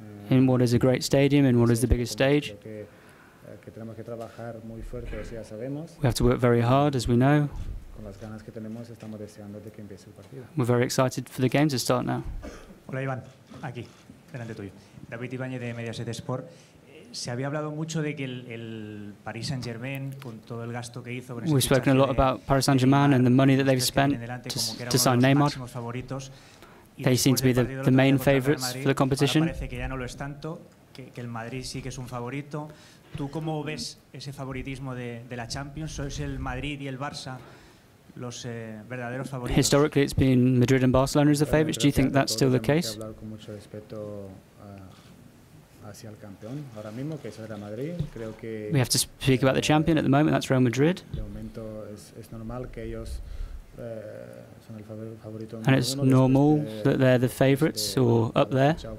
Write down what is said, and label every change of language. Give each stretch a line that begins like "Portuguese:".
English: In what is a great stadium, in what is the biggest stage. We have to work very hard, as we know. We're very excited for the game to start now.
Spanish: Hola, Iván. Aquí, delante tuyo. David Ibáñez, de Mediaset Sport. Se había hablado mucho de que el Paris Saint-Germain, con todo el gasto que hizo...
English: We've spoken a lot about Paris Saint-Germain and the money that they've spent to sign Neymar. They seem to be the main favourites for the competition.
Spanish: Parece que ya no lo es tanto, que el Madrid sí que es un favorito. ¿Tú cómo ves ese favoritismo de la Champions? ¿Sois el Madrid y el Barça los verdaderos favoritos?
English: Historically, it's been Madrid and Barcelona as the favourites. Do you think that's still the case?
Spanish: Hablar con mucho respeto hacia el campeón ahora mismo, que eso era Madrid. Creo que
English: we have to speak about the champion at the moment. That's Real Madrid.
Spanish: De momento es normal que ellos son el favorito.
English: And it's normal that they're the favorites or up there.